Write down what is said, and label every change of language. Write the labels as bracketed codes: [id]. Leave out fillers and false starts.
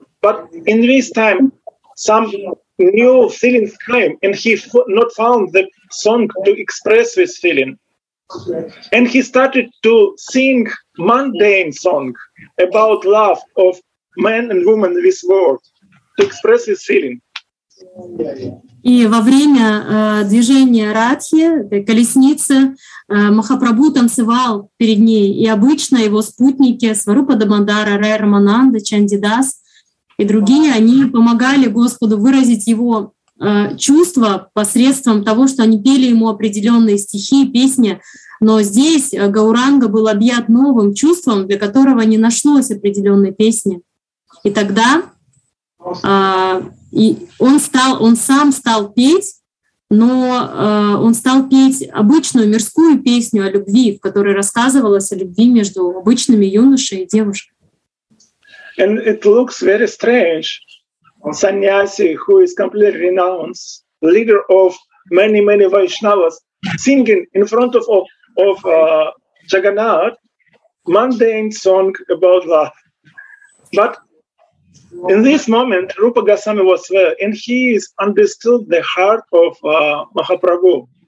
[en] But in this time, some new feelings came, and he not found the song to express this feeling. And he started to sing mundane song about love of man and woman in this world, to express his feeling. [ru] И во время движения Радхи, этой колесницы, Махапрабху танцевал перед ней. И обычно его спутники Сварупа Дамодара, Рай Рамананда, Чандидас и другие, они помогали Господу выразить его чувства посредством того, что они пели ему определенные стихи, песни. Но здесь Гауранга был объят новым чувством, для которого не нашлось определенной песни. И тогда... И он сам стал петь, но он стал петь обычную мирскую песню о любви, в которой рассказывалось о любви между обычными юношей и девушкой. [en] And it looks very strange. Sannyasi, who is completely renounced, leader of many Vaishnavas, singing in front of Jagannath, mundane song about love. But in this moment, Rupa Goswami was there, and he understood the heart of Mahaprabhu.